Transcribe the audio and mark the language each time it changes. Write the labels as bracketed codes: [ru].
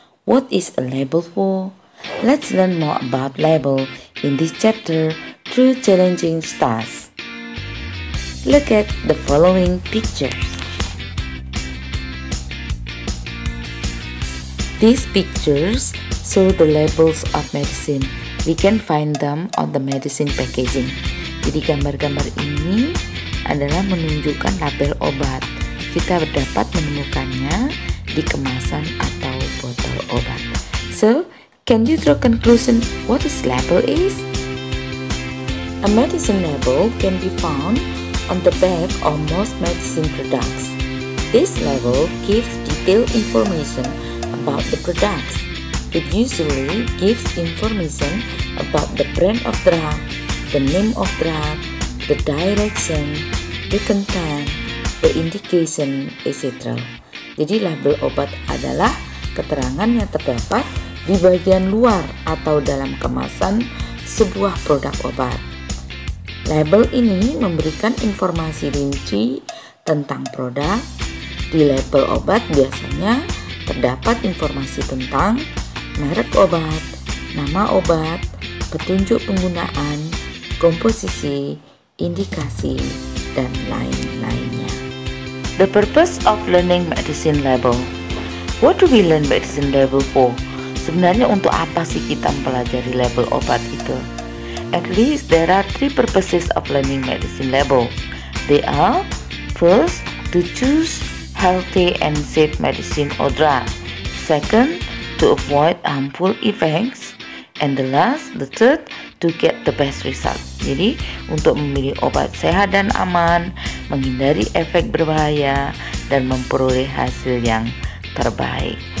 [en] What is a label for? Let's learn more about label in this chapter through challenging tasks. Look at the following picture. These pictures show the labels of medicine. We can find them on the medicine packaging. [id] Jadi gambar-gambar ini adalah menunjukkan label obat. Kita dapat menemukannya di kemasan atau botol obat. [en] So, can you draw conclusion what a label is? A medicine label can be found on the back of most medicine products. This label gives detailed information about the products. It usually gives information about the brand of drug, the name of drug, the direction, the content, the indication, etc. [id] Jadi label obat adalah keterangan yang terdapat di bagian luar atau dalam kemasan sebuah produk obat. Label ini memberikan informasi rinci tentang produk. Di label obat biasanya terdapat informasi tentang merek obat, nama obat, petunjuk penggunaan, komposisi, indikasi, dan lain-lainnya. [en] The purpose of learning medicine label. What do we learn medicine label for? [id] Sebenarnya untuk apa sih kita mempelajari label obat itu? [en] At least there are three purposes of learning medicine label. They are, first, to choose healthy and safe medicine or drug. Second, to avoid harmful effects. And the last, the third, to get the best result. [id] Jadi, untuk memilih obat sehat dan aman, menghindari efek berbahaya, dan memperoleh hasil yang terbaik.